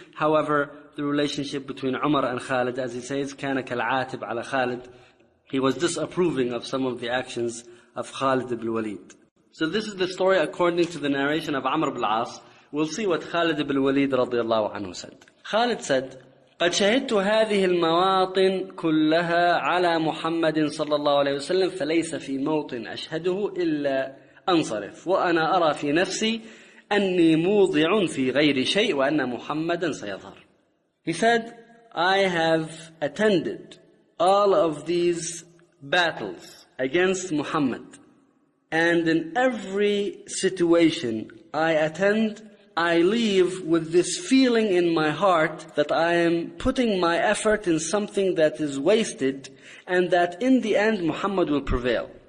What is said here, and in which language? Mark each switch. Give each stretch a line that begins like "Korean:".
English: However, the relationship between Umar and Khalid, as he says,
Arabic: كان كالعاتب على
English: Khalid. He was disapproving of some of the actions of Khalid bin Walid. So this is the story according to the narration of Amr bin al-As. We'll see what Khalid bin Walid radiallahu anhu said. Khalid said,
Arabic: قد شهدت هذه المواطن كلها على محمد صلى الله عليه وسلم فليس في موطن أشهده إلا أنصرف وأنا أرى في نفسي أني موضع في غير شيء وأن محمدا سيظهر.
English: He said, I have attended all of these battles against Muhammad, and in every situation I attend, I leave with this feeling in my heart that I am putting my effort in something that is wasted and that in the end Muhammad will prevail.